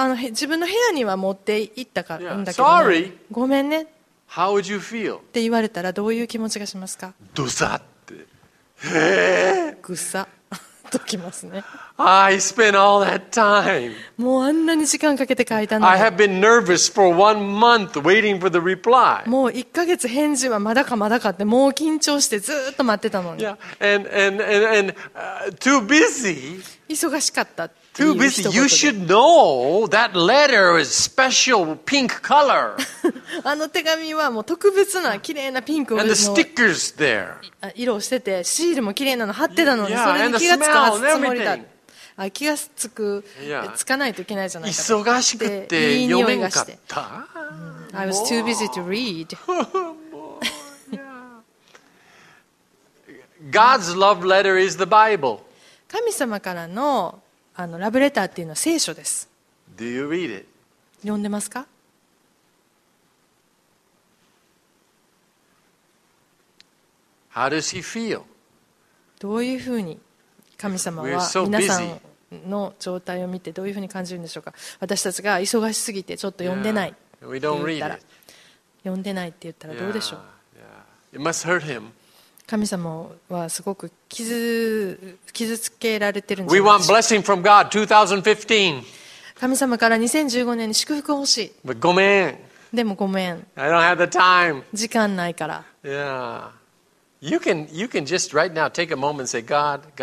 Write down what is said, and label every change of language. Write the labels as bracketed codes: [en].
[ja] 自分の部屋には持って行ったかんだけど、 [en] Sorry. [ja] ごめんね。 [en] How would you feel? [ja] って言われたらどういう気持ちがしますか？ドサって、ぐさときますね。 [en] I spent all that time. [ja] もうあんなに時間かけて書いたの [en] に。I have been nervous for one month waiting for the reply. [ja] もう1ヶ月返事はまだかまだかってもう緊張してずっと待ってたのに。 [en] Yeah. And too busy. [ja] 忙しかった。 [en] Too busy. You should know that letter is special pink color. [ja] あの手紙はもう特別な綺麗なピンクの [en] And the stickers there. [ja] 色をしててシールも綺麗なの貼ってたのでそれに気がつかずつもりだ。あ気がつく、つかないといけないじゃないか。忙しくて読めなかった。 [en] I was too busy to read. God's love letter is the Bible. [ja] 神様からのラブレターっていうのは聖書です。 [en] Do you read it? [ja] 読んでますか? [en] How does he feel? [ja] どういうふうに神様は皆さんの状態を見てどういうふうに感じるんでしょうか。私たちが忙しすぎてちょっと読んでないって言ったら、読んでないって言ったらどうでしょう。 [en] It must hurt him. [ja] 神様はすごく傷つけられてるんです。 [en] We want blessing from God 2015. [ja] 神様から2015年に祝福欲しい。 [en] But [ja] ごめん。でもごめん。 [en] I don't have the time. [ja] 時間ないから。 [en] Yeah. You can just right now take a moment and say, God,